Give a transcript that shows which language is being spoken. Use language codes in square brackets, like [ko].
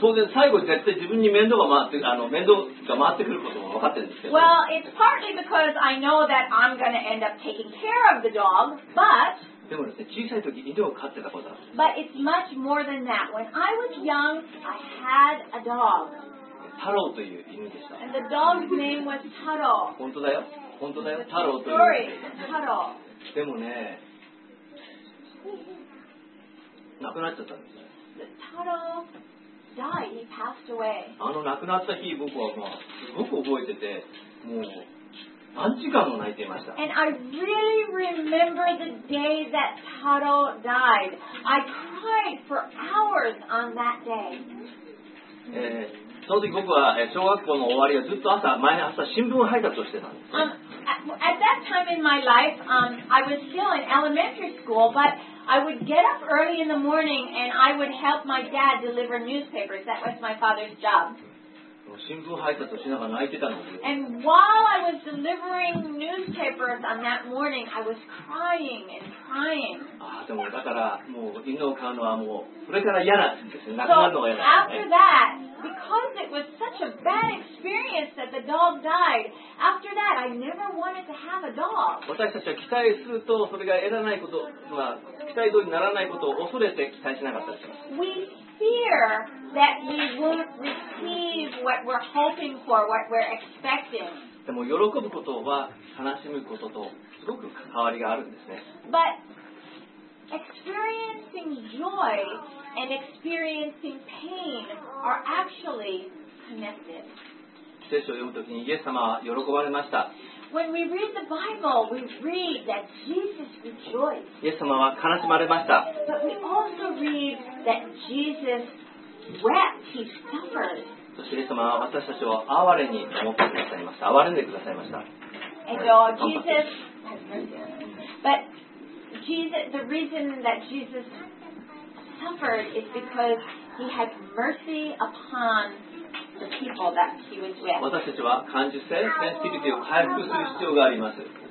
[ja] 当然最後絶対自分に面倒が回って面倒が回ってくることも分かってるんですけど。 [en] Well, it's partly because I know that I'm going to end up taking care of the dog, but [ja] でもですね、小さい時犬を飼ってたことある。 [en] But it's much more than that. When I was young, I had a dog. [ja] タローという犬でした。 [en] And the dog's name was Taro. [ja] 本当だよ。本当だよ、タロウという。 タロウ。でもね、亡くなっちゃったんですね。 [en] タロウ died. He passed away. [ja] あの亡くなった日、僕はすごく覚えてて、もう何時間も泣いていました。 [en] And I really remember the day that Taro died. I cried for hours on that day. [ja] その時僕は小学校の終わりはずっと朝、毎朝新聞配達をしてたんです。 [en] At that time in my life, I was still in elementary school, but I would get up early in the morning and I would help my dad deliver newspapers. That was my father's job. [ja] 新聞配達をしながら泣いてたんですよ。 [en] And while I was delivering newspapers on that morning, I was crying and crying. [ja] ああ、でもだからもう犬を飼うのはもうそれから嫌なんですね。亡くなるのが嫌なんですね。 [en] So after that, because it was such a bad experience that the dog died, after that I never wanted to have a dog. [ja] 私たちは期待するとそれが得られないこと、まあ期待通りにならないことを恐れて期待しなかったです。 [en] We fear that we won't receive what we're hoping for, what we're expecting. [ja] でも喜ぶことは悲しむこととすごく関わりがあるんですね。 [en] But experiencing joy and experiencing pain are actually connected. [ja] 聖書を読むときにイエス様は喜ばれました。 [en] When we read the Bible, we read that Jesus rejoiced. [ja] イエス様は悲しまれました。 [en] But we also read that Jesus wept, he suffered. [ja] そしてイエス様は私たちを哀れに思ってくださいました。哀れんでくださいました。 [en] And so Jesus, but Jesus, the reason that Jesus suffered is because he had mercy upon the people that he was with. [ja] 私たちは感受性、センシビリティを回復する必要があります。